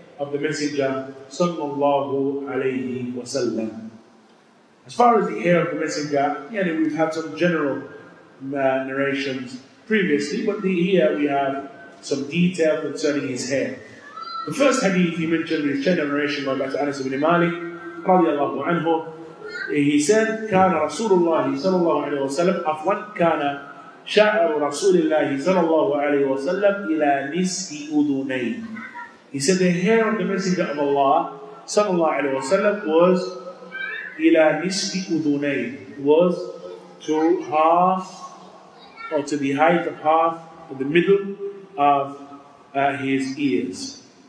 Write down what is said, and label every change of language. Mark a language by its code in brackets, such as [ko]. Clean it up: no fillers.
[en] of the Messenger sallallahu alayhi wa sallam. As far as the hair of the Messenger, yeah, we've had some general narrations previously, but here we have some detail concerning his hair. The first hadith he mentioned is shared narration by Dr. Anas ibn Malik radiallahu anhu. He said, [ar] كان رسول الله صلى الله عليه وسلم أفضل كان شعر رسول الله صلى الله عليه وسلم إلى نصف أذنيه. [en] He said the hair of the Messenger of Allah صلى الله عليه وسلم was [ar] إلى نصف أذنيه, [en] was to half or to the height of half of the middle of his ears.